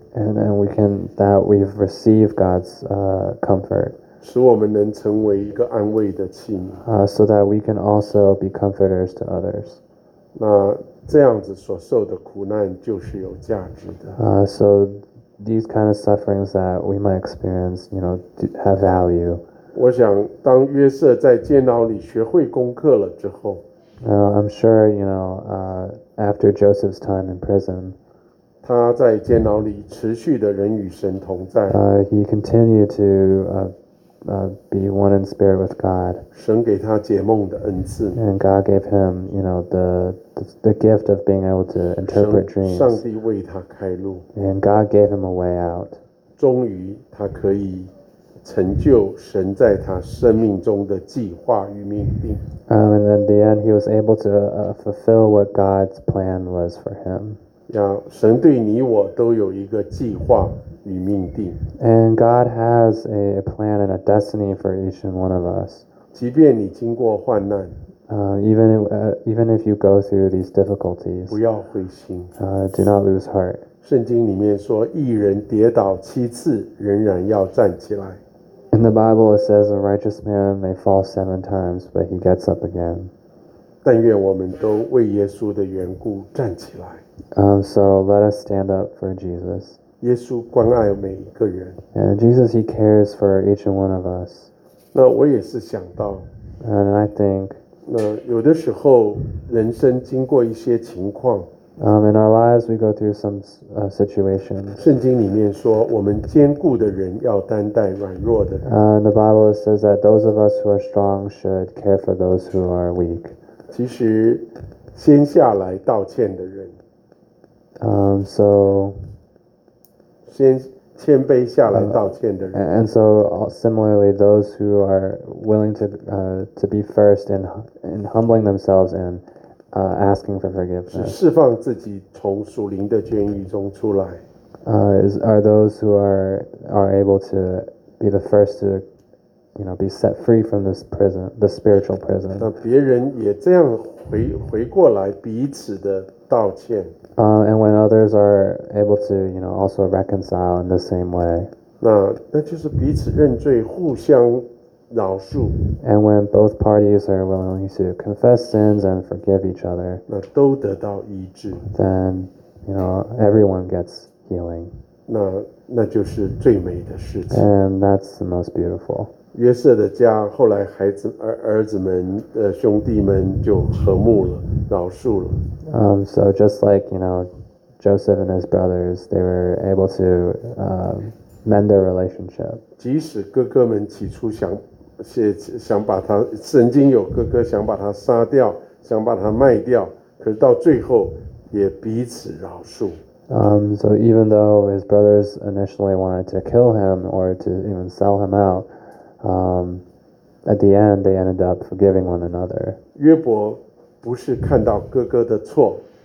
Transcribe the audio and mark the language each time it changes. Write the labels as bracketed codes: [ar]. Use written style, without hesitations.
[en] And then we can, that we've received God's comfort. [zh] 使我们能成为一个安慰的器皿。 [en] So that we can also be comforters to others. [zh] 那这样子所受的苦难就是有价值的。 [en] So these kind of sufferings that we might experience, you know, have value. [zh] 我想当约瑟在监牢里学会功课了之后。 [en] I'm sure, you know, after Joseph's time in prison, [zh] 他在监牢里持续的人与神同在。 [en] He continued to be one in spirit with God. [zh] 神给他解梦的恩赐。 [en] And God gave him, you know, the gift of being able to interpret dreams. [zh] 上帝为他开路。 [en] And God gave him a way out. [zh] 终于他可以成就神在他生命中的计划与命定。 [en] And in the end, he was able to fulfill what God's plan was for him. [zh] 神对你我都有一个计划与命定。 [en] And God has a plan and a destiny for each and one of us. [zh] 即便你经过患难。 [en] Even if you go through these difficulties. [zh] 不要灰心。 [en] Do not lose heart. [zh] 圣经里面说，义人跌倒七次，仍然要站起来。 [en] In the Bible it says a righteous man may fall seven times, but he gets up again. [zh] 但愿我们都为耶稣的缘故站起来。 [en] So let us stand up for Jesus. [zh] 耶稣关爱每一个人。 [en] And Jesus, he cares for each and one of us. [zh] 那我也是想到。 [en] And I think. [zh] 那有的时候人生经过一些情况。 [en] In our lives, we go through some situations. [zh] 圣经里面说，我们坚固的人要担待软弱的人。 [en] The Bible says that those of us who are strong should care for those who are weak. [zh] 其实先下来道歉的人。 [en] So, [zh] 先谦卑下来道歉的人。 [en] And so, similarly, those who are willing to be first in humbling themselves and asking for forgiveness. [zh] 是释放自己从属灵的监狱中出来。 [en] Are those who are able to be the first to, you know, be set free from this prison, the spiritual prison. [zh] 那别人也这样回过来彼此的道歉。 [en] And when others are able to, you know, also reconcile in the same way. [zh] 那就是彼此认罪，互相饶恕。 [en] And when both parties are willing to confess sins and forgive each other, [zh] 那都得到医治。 [en] Then, you know, everyone gets healing. [zh] 那就是最美的事情。 [en] And that's the most beautiful. [zh] 约瑟的家后来孩子儿子们兄弟们就和睦了，饶恕了。 [en] So just like, you know,Joseph and his brothers, they were able to mend their relationship. [zh] 即使哥哥们起初想把他，曾经有哥哥想把他杀掉，想把他卖掉，可是到最后也彼此饶恕。 [en] So even though his brothers initially wanted to kill him or to even sell him out, at the end they ended up forgiving one another. [zh] 约伯不是看到哥哥的错。